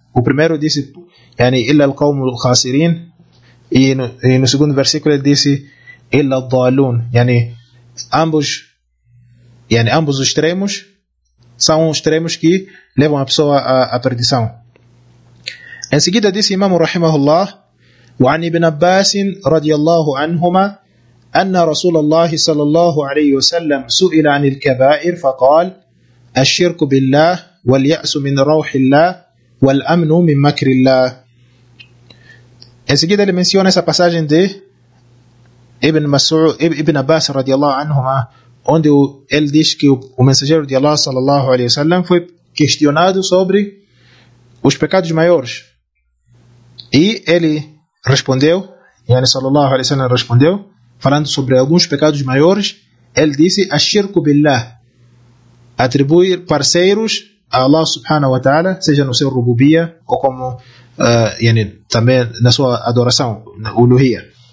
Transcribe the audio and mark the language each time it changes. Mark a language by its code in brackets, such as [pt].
[pt] O primeiro disse, yani, [ar] illa al-qawm al-khasirin. [pt] E no segundo versículo ele disse, [ar] illa al-dhalun. [pt] Yani, ambos os extremos são os extremos que levam a pessoa à perdição. Em seguida disse Imam rahimahullah, [ar] وعن ابن عباس رضي الله عنهما أن رسول الله صلى الله عليه وسلم سئل عن الكبائر فقال الشرك بالله واليأس من روح الله والأمن من مكر الله. [pt] En seguida ele menciona essa passagem de Ibn Mas'ud, Ibn Abbas radiyallahu anhuma, onde ele diz que o mensageiro de Allah sallallahu alaihi wasallam foi questionado sobre os pecados maiores. E ele respondeu, yani sallallahu alaihi wasallam respondeu, falando sobre alguns pecados maiores, ele disse: "Ash-shirku billah", atribuir parceiros a Allah subhanahu wa ta'ala, seja no seu rububia ou como yani, também na sua adoração, na uluhia.